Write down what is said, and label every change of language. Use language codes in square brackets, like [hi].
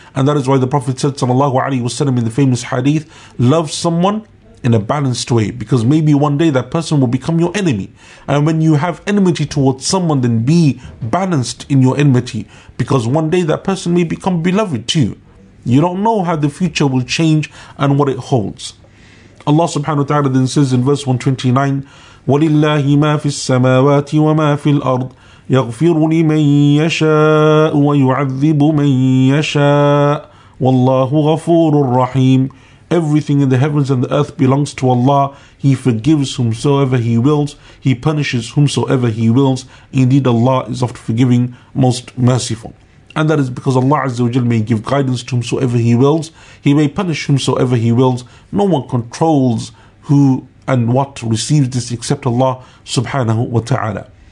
[en] And that is why the Prophet said sallallahu alaihi wasallam in the famous hadith, love someone in a balanced way, because maybe one day that person will become your enemy. And when you have enmity towards someone, then be balanced in your enmity, because one day that person may become beloved to you. You don't know how the future will change and what it holds. Allah subhanahu wa ta'ala then says in verse 129, [ar] وَلِلَّهِ مَا فِي السَّمَاوَاتِ وَمَا فِي الْأَرْضِ يَغْفِرُ لِمَن يَشَاءُ وَيُعَذِّبُ مَن يَشَاءُ وَاللَّهُ غَفُورٌ رَحِيمٌ. [en] Everything in the heavens and the earth belongs to Allah. He forgives whomsoever He wills. He punishes whomsoever He wills. Indeed, Allah is of forgiving, most merciful. And that is because Allah Azza wa Jal may give guidance to whomsoever He wills. He may punish whomsoever He wills. No one controls who and what receives this except Allah subhanahu wa ta'ala.